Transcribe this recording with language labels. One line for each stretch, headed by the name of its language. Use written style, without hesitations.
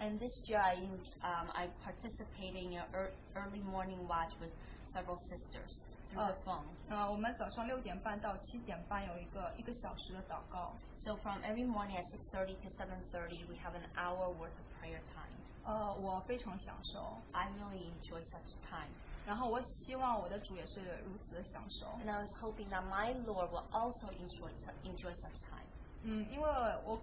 English: And this year I participated in an early morning watch with several sisters.
Chinese: 我们早上六点半到七点半有一个小时的祷告。
English: So from every morning at 6:30 to 7:30, we have an hour worth of prayer time.
Chinese: 我非常享受。
English: I really enjoy such time.
Chinese: 然后我希望我的主也是如此的享受。
English: And I was hoping that my Lord will also enjoy such time.